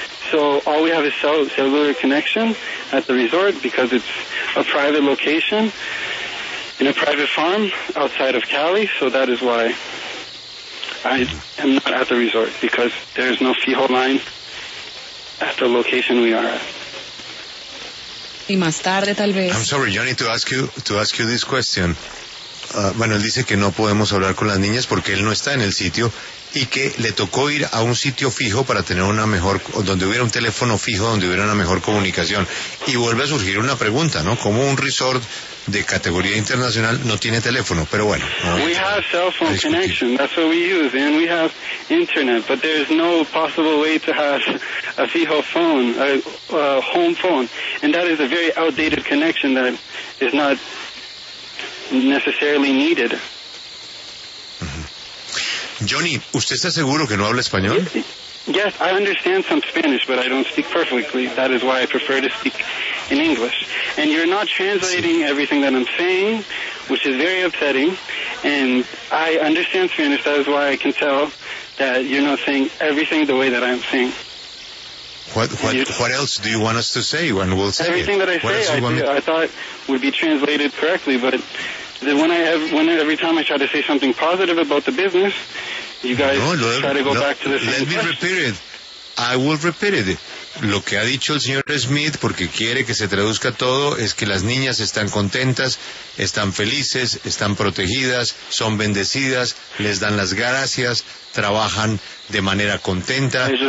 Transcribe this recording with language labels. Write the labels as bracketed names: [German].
[English] So all we have is cellular connection at the resort because it's a private location in a private farm outside of Cali. So that is why I am not at the resort, because there is no field line at the location we are at. [Spanish] Y más tarde, tal vez. [English] I'm sorry, Johnny, to ask you this question. [Spanish] Bueno, él dice que no podemos hablar con las niñas porque él no está en el sitio y que le tocó ir a un sitio fijo para tener una mejor, donde hubiera un teléfono fijo, donde hubiera una mejor comunicación. Y vuelve a surgir una pregunta, ¿no? ¿Cómo un resort de categoría internacional no tiene teléfono? Pero bueno. [English] We have cell phone connection, that's what we use, and we have internet, but there is no possible way to have a fijo phone, a home phone, and that is a very outdated connection that is not necessarily needed. [Spanish] Johnny, ¿usted está seguro que no habla español? [English] Yes, I understand some Spanish, but I don't speak perfectly. That is why I prefer to speak in English. And you're not translating everything that I'm saying, which is very upsetting. And I understand Spanish. That is why I can tell that you're not saying everything the way that I'm saying. What else do you want us to say when we'll say everything it? Everything that I say, I thought would be translated correctly, but every time I try to say something positive about the business, you guys back to the same Let me question. Repeat it. I will repeat it. [Spanish] Lo que ha dicho el señor Smith, porque quiere que se traduzca todo, es que las niñas están contentas, están felices, están protegidas, son bendecidas, les dan las gracias, trabajan de manera contenta.